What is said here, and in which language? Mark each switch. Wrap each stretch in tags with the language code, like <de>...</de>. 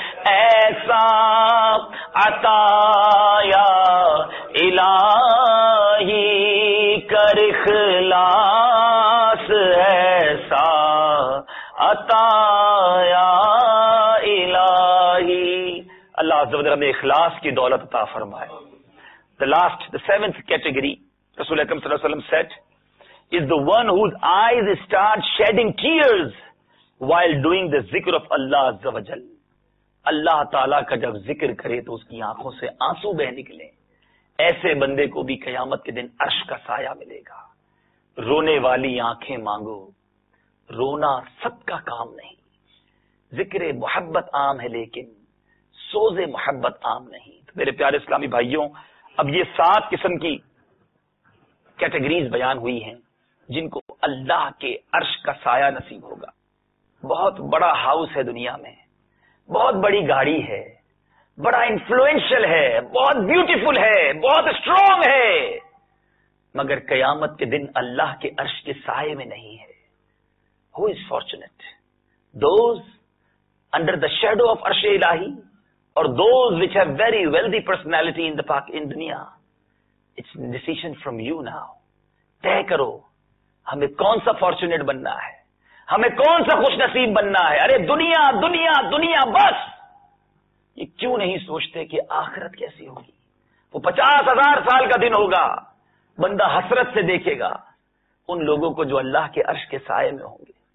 <ur>ایسا عطا یا الہی، کر اخلاص ایسا عطا یا الہی. اللہ عز و جل ہمیں اخلاص کی دولت عطا فرمائے.</ur> <en>The last, the seventh category, رسول اکرم صلی اللہ علیہ وسلم said, is the one whose eyes start shedding tears while doing the ذکر of Allah عز و جل.</en> <ur>اللہ تعالیٰ کا جب ذکر کرے تو اس کی آنکھوں سے آنسو بہ نکلے، ایسے بندے کو بھی قیامت کے دن عرش کا سایہ ملے گا. رونے والی آنکھیں مانگو, رونا سب کا کام نہیں. ذکر محبت عام ہے لیکن سوز محبت عام نہیں. تو میرے پیارے اسلامی بھائیوں, اب یہ سات قسم کی کیٹیگریز بیان ہوئی ہیں جن کو اللہ کے عرش کا سایہ نصیب ہوگا. بہت بڑا ہاؤس ہے دنیا میں, بہت بڑی گاڑی ہے, بڑا انفلوئنشل ہے, بہت بیوٹیفل ہے, بہت اسٹرانگ ہے, مگر قیامت کے دن اللہ کے عرش کے سائے میں نہیں ہے.</ur> <en>Who is fortunate? Those under the shadow of عرش الہی اور those which have very wealthy personality in the park in دنیا. It's a decision from you now.</en> <ur>طے کرو ہمیں کون سا فارچونیٹ بننا ہے, ہمیں کون سا خوش نصیب بننا ہے. ارے دنیا دنیا دنیا بس, یہ کیوں نہیں سوچتے کہ آخرت کیسی ہوگی. وہ 50,000 سال کا دن ہوگا, بندہ حسرت سے دیکھے گا ان لوگوں کو جو اللہ کے عرش کے سائے میں ہوں گے.</ur>